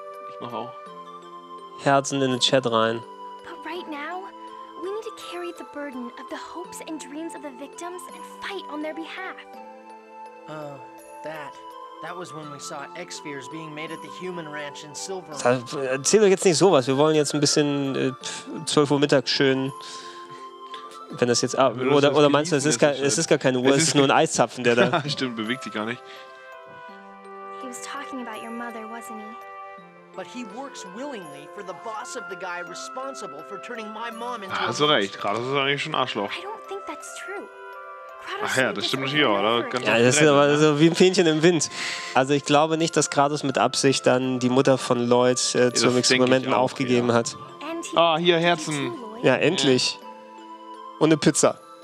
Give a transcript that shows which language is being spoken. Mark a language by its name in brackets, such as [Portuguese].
[German] Ich mach auch. Herzen in den Chat rein. [English] But right now, we need to carry the burden of the hopes and dreams of the victims and fight on their behalf. Oh, that. That was when we saw X-Spheres being made at the human ranch in Silver. [German] Erzähl doch jetzt nicht sowas. Wir wollen jetzt ein bisschen 12 Uhr mittags schön. Wenn das jetzt. Ah, oder meinst du, es ist gar kein Uhr, es ist nur ein Eiszapfen, der da. Stimmt, bewegt sich gar nicht. [English] He was talking about your mother, wasn't he? But he works willingly for the boss of the guy responsible for turning my mom into. [German] Hast du recht, Kratos ist eigentlich schon Arschloch. [English] I don't think that's true. [German] Ach ja, das stimmt natürlich auch, oder? Ganz ja, das ist aber so wie ein Fähnchen im Wind. Also ich glaube nicht, dass Kratos mit Absicht dann die Mutter von Lloyd zum Experimenten auch, aufgegeben ja. hat. Ah, oh, hier, Herzen. Ja, endlich. Ohne Pizza.